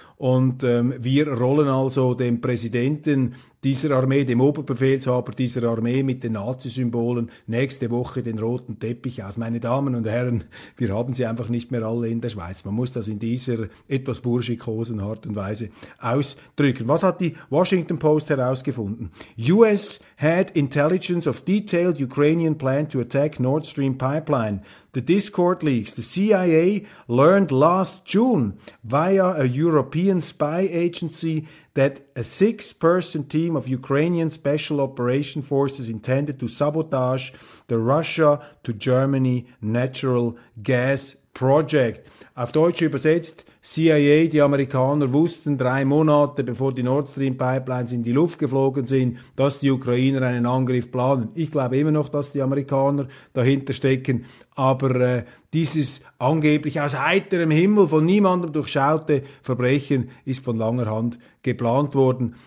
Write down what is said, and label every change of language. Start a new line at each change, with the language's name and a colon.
German: Und wir rollen also dem Präsidenten dieser Armee, dem Oberbefehlshaber dieser Armee mit den Nazi-Symbolen nächste Woche den roten Teppich aus. Meine Damen und Herren, wir haben sie einfach nicht mehr alle in der Schweiz. Man muss das in dieser etwas burschikosen Art und Weise ausdrücken. Was hat die Washington Post herausgefunden?
English: US had intelligence of detailed Ukrainian plan to attack Nord Stream Pipeline. The Discord leaks. The CIA learned last June via a European spy agency that a six-person team of Ukrainian special operation forces intended to sabotage the Russia to Germany natural gas Project.
German: Auf Deutsch übersetzt, CIA, die Amerikaner wussten 3 Monate, bevor die Nord Stream Pipelines in die Luft geflogen sind, dass die Ukrainer einen Angriff planen. Ich glaube immer noch, dass die Amerikaner dahinter stecken, aber dieses angeblich aus heiterem Himmel von niemandem durchschaute Verbrechen ist von langer Hand geplant worden.